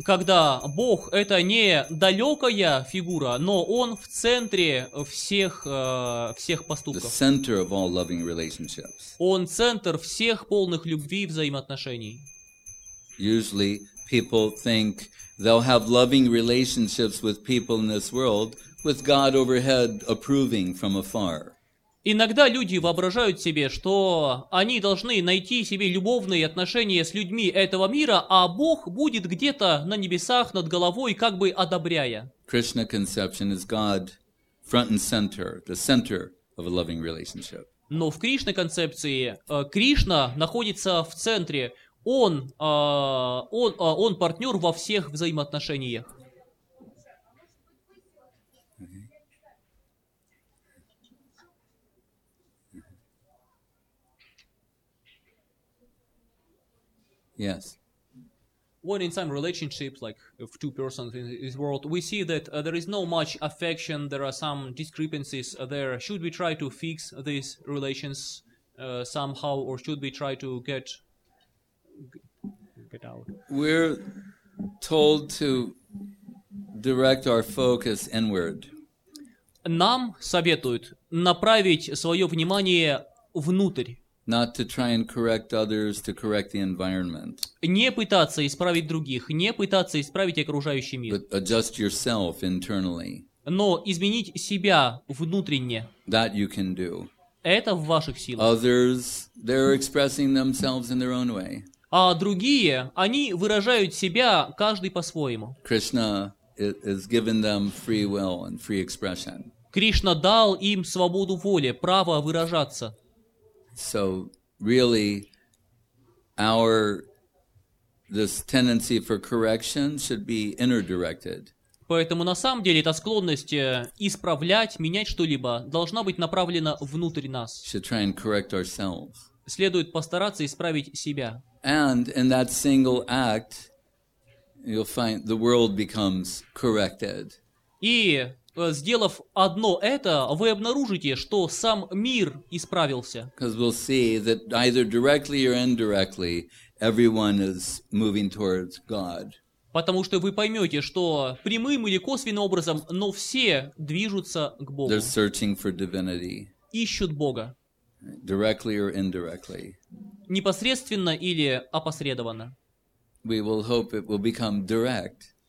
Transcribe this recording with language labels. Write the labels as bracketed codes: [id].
[ru] Когда Бог это не далекая фигура, но он в центре всех поступков. [en] The center of all loving relationships. [ru] Он центр всех полных любви взаимоотношений. [en] Usually people think they'll have loving relationships with people in this world, with God overhead approving from afar. [ru] Иногда люди воображают себе, что они должны найти себе любовные отношения с людьми этого мира, а Бог будет где-то на небесах над головой, как бы одобряя. [en] Krishna conception is God front and center, the center of a loving relationship. [ru] Но в Кришна концепции Кришна находится в центре. Он партнер во всех взаимоотношениях. [en] Yes. When in some relationships, like of two persons in this world, we see that there is no much affection, there are some discrepancies there. Should we try to fix these relations somehow, or should we try to get out? We're told to direct our focus inward. [ru] Нам советуют направить свое внимание внутрь. [en] Not to try and correct others, to correct the environment. [ru] Не пытаться исправить других, не пытаться исправить окружающий мир. [en] But adjust yourself internally. [ru] Но изменить себя внутренне. [en] That you can do. [ru] Это в ваших силах. [en] Others, they're expressing themselves in their own way. [ru] А другие, они выражают себя каждый по-своему. [en] Krishna has given them free will and free expression. [ru] Кришна дал им свободу воли, право выражаться. [en] So really our this tendency for correction should be inner directed. [ru] Поэтому на самом деле эта склонность исправлять, менять что-либо должна быть направлена внутрь нас. [en] Should try and correct ourselves. [ru] Следует постараться исправить себя. [en] And in that single act you'll find the world becomes corrected. [ru] И сделав одно это, вы обнаружите, что сам мир исправился. [en] Because we'll see that either directly or indirectly, everyone is moving towards God. [ru] Потому что вы поймете, что прямым или косвенным образом, но все движутся к Богу. [en] They're searching for divinity. [ru] Ищут Бога. [en] Directly or indirectly. [ru] Непосредственно или опосредованно. [en] We will hope it will become direct.